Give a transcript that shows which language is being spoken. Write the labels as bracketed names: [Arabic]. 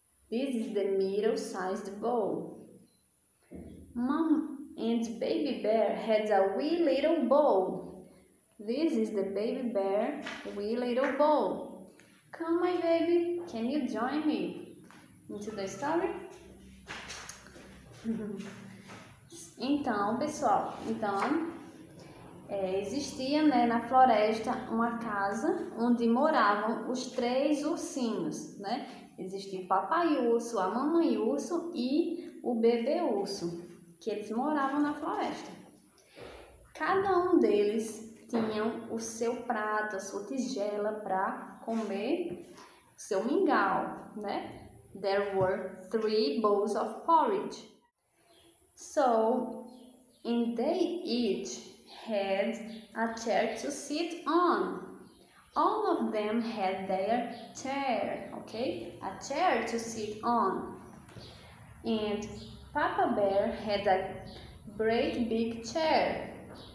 [English] This is the middle-sized bowl. Mom and Baby Bear had a wee little bowl. This is the Baby Bear wee little bowl. Come, my baby, can you join me into the story? [Portuguese] Então, pessoal, existia, né, na floresta uma casa onde moravam os três ursinhos, né? Existia o papai urso, a mamãe urso e o bebê urso, que eles moravam na floresta. Cada um deles tinha o seu prato, a sua tigela para comer, o seu mingau, né? [English] There were three bowls of porridge. So, and they each had a chair to sit on. All of them had their chair, okay? A chair to sit on. And Papa Bear had a great big chair.